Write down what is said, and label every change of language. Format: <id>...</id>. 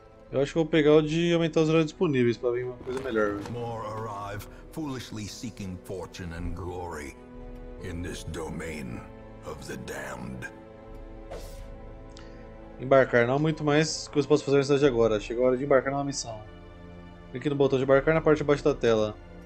<pt>Eu acho que vou pegar o de aumentar os heróis disponíveis para vir uma coisa melhor.</pt> <en>More arrive, foolishly seeking fortune and glory in this domain of the damned.</en> <pt>Embarcar, não há muito mais que eu posso fazer na cidade agora. Chegou a hora de embarcar numa missão. Clique no botão de embarcar na parte de baixo da tela.</pt>